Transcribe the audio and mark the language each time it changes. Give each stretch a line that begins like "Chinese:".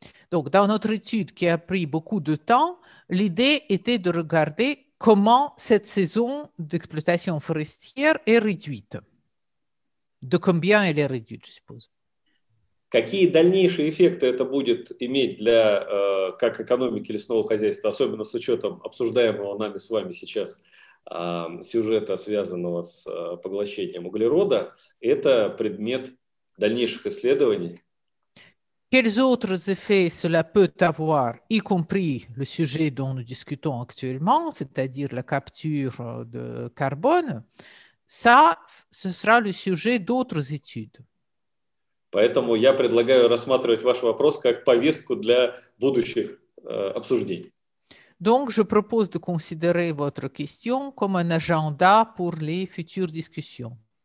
French: Donc, dans notre étude, qui a pris beaucoup de temps, l'idée était de regarder comment cette saison d'exploitation forestière est réduite. De combien elle est réduite, je suppose.
Russian: Какие дальнейшие эффекты это будет иметь для как экономики лесного хозяйства, особенно с учетом обсуждаемого нами с вами сейчас сюжета, связанного с поглощением углерода, это предмет дальнейших исследований.
French: Quels autres effets cela peut avoir, y compris le sujet dont nous discutons actuellement, c'est-à-dire la capture de carbone, ça, ce sera le sujet d'autres études.
Russian: Поэтому я предлагаю рассматривать ваш вопрос как повестку для будущих обсуждений.
French: Donc, je propose de considérer votre question comme un agenda pour les futures discussions.